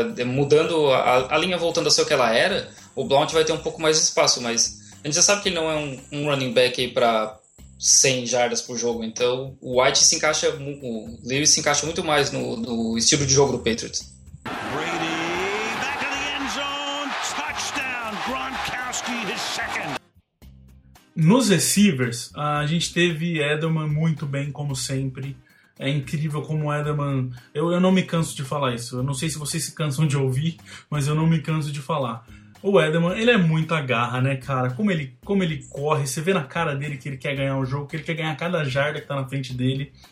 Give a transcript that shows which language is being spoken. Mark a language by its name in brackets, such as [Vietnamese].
[Portuguese] Mudando a linha, voltando a ser o que ela era, o Blount vai ter um pouco mais de espaço, mas a gente já sabe que ele não é um running back aí pra 100 jardas por jogo, então o White se encaixa, o Lewis se encaixa muito mais no estilo de jogo do Patriots. [English] Brady, back of the end zone, touchdown, Gronkowski, his second. [Portuguese] Nos receivers, a gente teve Edelman muito bem, como sempre. É incrível como o Edelman, eu não me canso de falar isso, eu não sei se vocês se cansam de ouvir, mas eu não me canso de falar. O Edelman, ele é muita garra, né, cara? Como ele corre, você vê na cara dele que ele quer ganhar o jogo, que ele quer ganhar cada jarda que tá na frente dele.